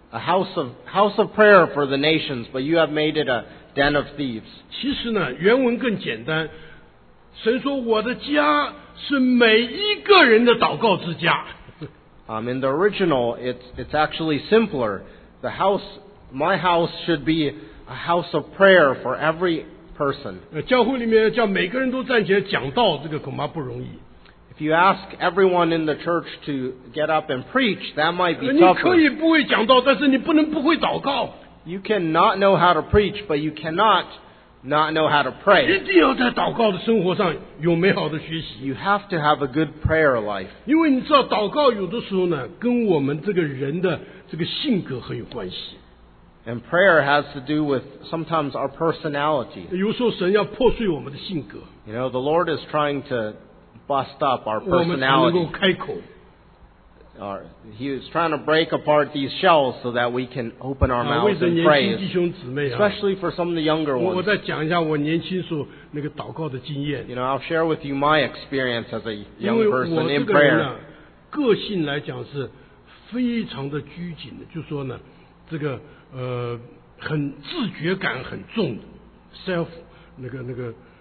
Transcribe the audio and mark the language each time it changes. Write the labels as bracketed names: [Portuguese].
[English] A house of prayer for the nations, but you have made it a den of thieves. [Chinese] 其实呢，原文更简单。神说我的家是每一个人的祷告之家。 [English] In the original, it's actually simpler. The house, my house should be a house of prayer for every person. [Chinese] 教会里面叫每个人都站起来讲道，这个恐怕不容易。 [English] If you ask everyone in the church to get up and preach, that might be tougher. [Chinese] 你可以不会讲道，但是你不能不会祷告。 [English] You cannot know how to preach, but you cannot not know how to pray. [Chinese] 一定要在祷告的生活上有美好的学习。 [English] You have to have a good prayer life. [Chinese] 因为你知道祷告有的时候呢，跟我们这个人的这个性格很有关系。 [English] And prayer has to do with sometimes our personality. [Chinese] 有时候神要破碎我们的性格。 [English] You know, the Lord is trying to bust up our personality. [Chinese] 我们才能够开口。 [English] He is trying to break apart these shells so that we can open our mouths and pray. [Chinese] 弟兄姊妹啊, [English] especially for some of the younger ones. [Chinese] 我再讲一下我年轻时候那个祷告的经验。 [English] You know, I'll share with you my experience as a young person in prayer. [Chinese] 因为我这个人呢, 个性来讲是非常的拘谨的, 就说呢, 这个, 很自觉感很重的, self, 那个,